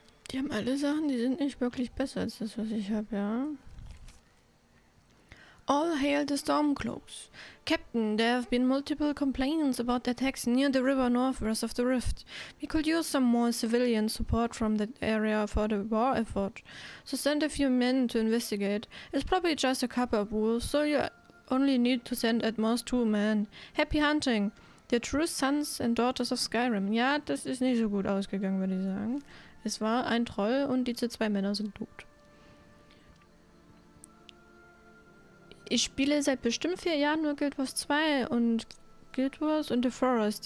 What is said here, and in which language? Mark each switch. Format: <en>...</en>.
<de>Die haben alle Sachen, die sind nicht wirklich besser als das, was ich habe, ja.</de> <en>All hail the Stormcloaks. Captain, there have been multiple complaints about attacks near the river northwest of the rift. We could use some more civilian support from that area for the war effort. So send a few men to investigate. It's probably just a couple of wolves, so you only need to send at most 2 men. Happy hunting, the true sons and daughters of Skyrim.</en> <de>Ja, das ist nicht so gut ausgegangen, würde ich sagen. Es war ein Troll und diese 2 Männer sind tot. Ich spiele seit bestimmt 4 Jahren nur Guild Wars 2 und Guild Wars und The Forest.</de>